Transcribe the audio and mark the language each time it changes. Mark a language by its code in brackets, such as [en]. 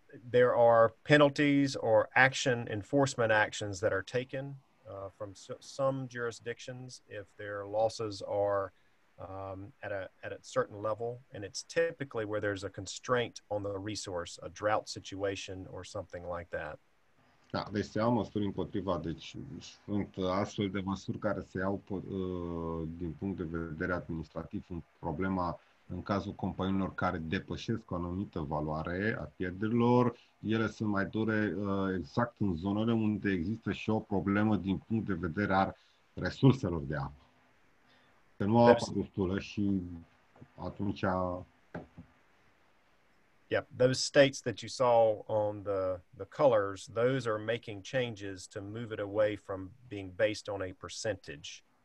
[en] There are penalties or action enforcement actions that are taken from some jurisdictions if their losses are at a certain level, and it's typically where there's a constraint on the resource, a drought situation or something like that. [ro] Da, deci se iau măsuri împotriva, deci sunt astfel de măsuri care se iau din punct de vedere administrativ în problema în cazul companiilor care depășesc o anumită valoare a pierderilor. Ele sunt mai dure exact în zonele unde există și o problemă din punct de vedere al resurselor de apă. Că nu au apă destulă și atunci... [en] Yeah, those states that you saw on the colors, those are making changes to move it away from being based on a percentage.